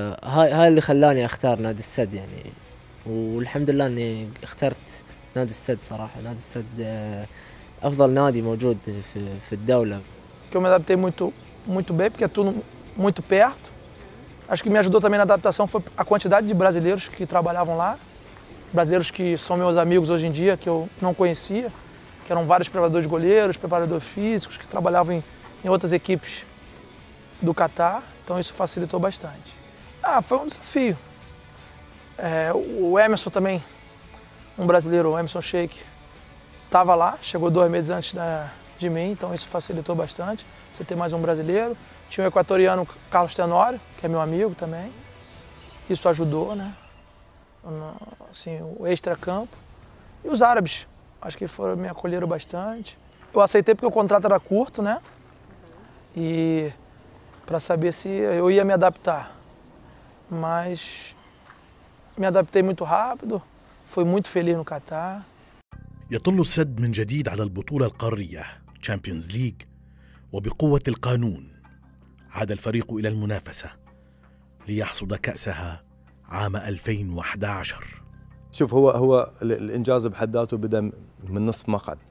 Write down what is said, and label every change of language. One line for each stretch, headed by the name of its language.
Arabic: هاي اللي خلاني أختار نادي السد يعني، والحمد لله أني اخترت نادي السد. صراحة نادي السد أفضل نادي موجود في الدولة.
Portuguese: Que eu me adaptei muito, muito bem, porque é tudo muito perto. Acho que me ajudou também na adaptação foi a quantidade de brasileiros que trabalhavam lá. Brasileiros que são meus amigos hoje em dia, que eu não conhecia, que eram vários preparadores de goleiros, preparadores físicos, que trabalhavam em outras equipes do Catar. Então isso facilitou bastante. Ah, foi um desafio. É, o Emerson também, um brasileiro, o Emerson Sheik, estava lá, chegou 2 meses antes de mim, então isso facilitou bastante, você ter mais um brasileiro. Tinha o equatoriano Carlos Tenório, que é meu amigo também. Isso ajudou, né? Assim, o extra-campo. E os árabes, acho que foram, me acolheram bastante. Eu aceitei porque o contrato era curto, né? E para saber se eu ia me adaptar. Mas me adaptei muito rápido, fui muito feliz no Catar.
Arabic: يطل السد من جديد على البطولة القارية Champions League وبقوة القانون عاد الفريق إلى المنافسة ليحصد كأسها عام 2011. شوف هو الإنجاز بحد ذاته بدأ من نصف مقعد.